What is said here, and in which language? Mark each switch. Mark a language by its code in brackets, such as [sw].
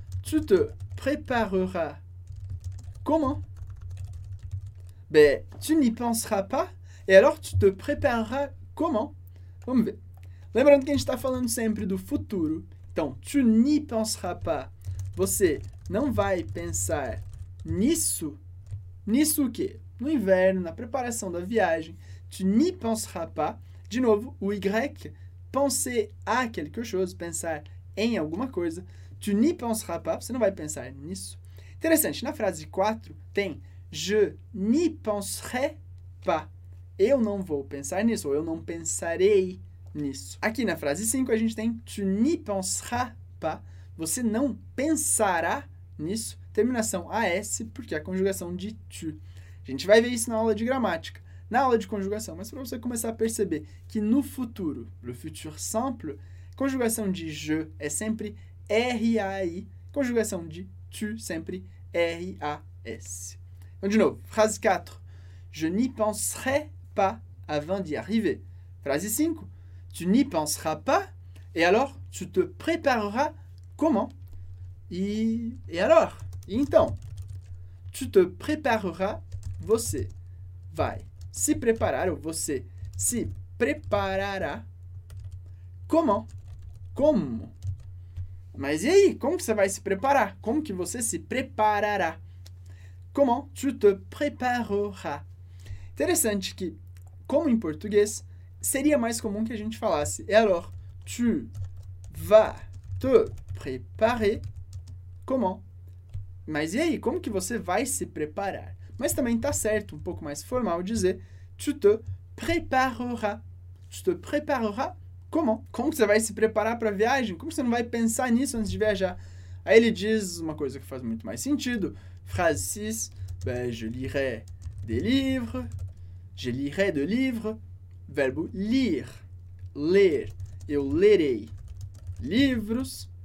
[fr] Tu te prépareras comment? Ben, tu n'y penseras pas? Et alors, tu te prépareras comment? [pt] Vamos ver. Lembrando que a gente está falando sempre do futuro. Então, [fr] tu n'y penseras pas. [pt] Você não vai pensar nisso. Nisso o quê? No inverno, na preparação da viagem. [fr] Tu n'y penseras pas. [pt] De novo, o Y, [fr] penser à quelque chose, [pt] pensar em alguma coisa. [fr] Tu n'y penseras pas. [pt] Você não vai pensar nisso. Interessante, na frase 4 tem [fr] je n'y penserai pas. [pt] Eu não vou pensar nisso, ou eu não pensarei nisso. Aqui na frase 5 a gente tem [fr] tu n'y penseras pas. [pt] Você não pensará nisso. Terminação AS, porque é a conjugação de tu. A gente vai ver isso na aula de gramática, na aula de conjugação, mas para você começar a perceber que no futuro, [fr] le futur simple, [pt] conjugação de je é sempre RAI, conjugação de tu sempre RAS. Então, de novo, frase 4. [fr] Je n'y penserai pas avant d'y arriver. [pt] Frase 5. [fr] Tu n'y penseras pas? Et alors, tu te prépareras comment? Et alors? Et então? Tu te prépareras, [pt] você vai se preparar, ou você se preparará comment? Como? Mas e aí? Como que você vai se preparar? Como que você se preparará? [fr] Comment tu te prépareras? [pt] Interessante que, como em português, seria mais comum que a gente falasse [fr] et alors, tu vas te préparer comment? [pt] Mas e aí? Como que você vai se preparar? Mas também tá certo, um pouco mais formal, dizer [fr] tu te prépareras. Tu te prépareras comment? [pt] Como que você vai se preparar para a viagem? Como que você não vai pensar nisso antes de viajar? Aí ele diz uma coisa que faz muito mais sentido. [fr] Phrase 6. Ben, je lirai des livres. Je lirai de livres. [pt] Verbo lire. Ler. Eu lerei livros.